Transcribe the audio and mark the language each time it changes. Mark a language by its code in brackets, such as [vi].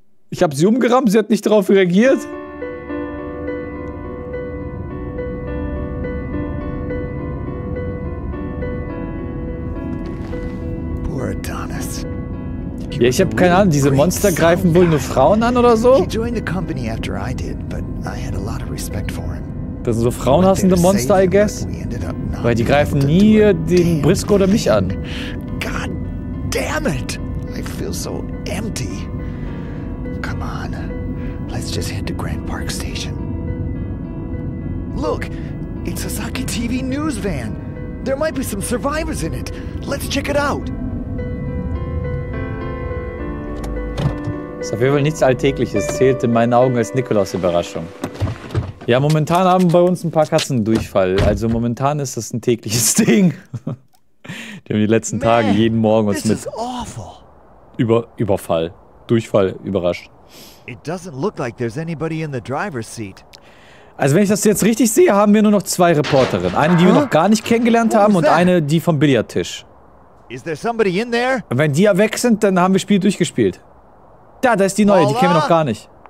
[de] Ich habe sie umgerammt, sie hat nicht darauf reagiert. [en] Poor Adonis. [de] Ja, ich habe keine Ahnung, diese Monster greifen wohl nur Frauen an oder so? [en] He joined the company after I did, but I had a lot of respect for him. [de] Das sind so frauenhassende Monster, [en] I guess. [de] Weil die greifen nie den Briscoe oder mich an. [en] God damn it! I feel so empty. Come on, let's just head to Grand Park Station. Look, it's a Sasaki TV news van. There might be some survivors in it. Let's check it out. [de] Ist auf jeden Fall nichts Alltägliches, zählt in meinen Augen als Nikolaus-Überraschung. Ja, momentan haben bei uns ein paar Katzen einen Durchfall. Also momentan ist das ein tägliches Ding. Die haben die letzten Tage jeden Morgen uns mit Überfall, Durchfall überrascht. [en] It doesn't look like there's anybody in the driver's seat. [de] Also wenn ich das jetzt richtig sehe, haben wir nur noch zwei Reporterinnen. Eine, die wir noch gar nicht kennengelernt haben und eine, die vom Billardtisch. [en] Is there somebody in there? [de] Und wenn die ja weg sind, dann haben wir das Spiel durchgespielt. Da, da ist die neue, die kennen wir noch gar nicht.